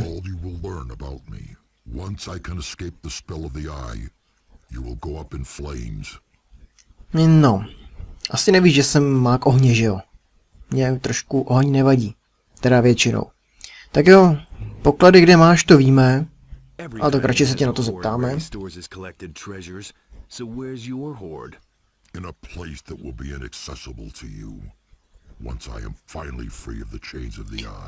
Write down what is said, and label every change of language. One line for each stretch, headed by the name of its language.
English: All you will learn about me. Once I can escape the spell of the eye, you will go up in flames.
Czech: No, asi nevíš, že jsem mák ohně, že jo? Mě trošku oheň nevadí. Teda většinou. Tak jo, poklady kde máš, to víme. A tak radši se tě na to zeptáme.
English: In a place that will be inaccessible to you. Once I am finally free of the chains of the eye.